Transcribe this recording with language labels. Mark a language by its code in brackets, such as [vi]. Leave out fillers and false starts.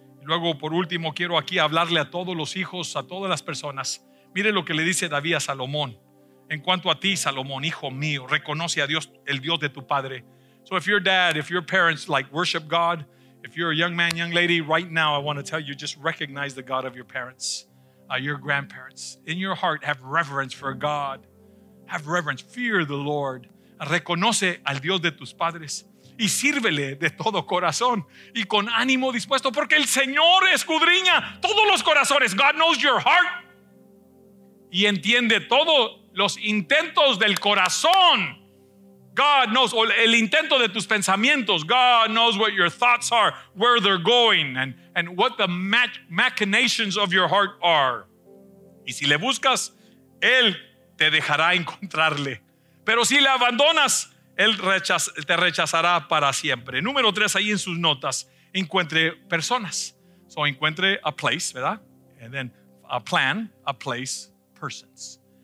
[es] Luego, por último, quiero aquí hablarle a todos los hijos, a todas las personas. Mire lo que le dice David a Salomón. En cuanto a ti, Salomón, hijo mío, reconoce a Dios, el Dios de tu padre. [en] So if your dad, if your parents like worship God, if you're a young man, young lady, right now I want to tell you, just recognize the God of your parents, your grandparents. In your heart, have reverence for God. Have reverence, fear the Lord. [es] Reconoce al Dios de tus padres y sírvele de todo corazón y con ánimo dispuesto, porque el Señor escudriña todos los corazones. [en] God knows your heart [es] y entiende todos los intentos del corazón. [en] God knows, [es] o el intento de tus pensamientos. [en] God knows what your thoughts are, where they're going, and what the machinations of your heart are. [es] Y si le buscas, Él te dejará encontrarle. Pero si le abandonas, Él te rechazará para siempre. Número 3, ahí en sus notas, encuentre personas. [en] So, encuentre a place, ¿verdad? And then a plan, a place, persons.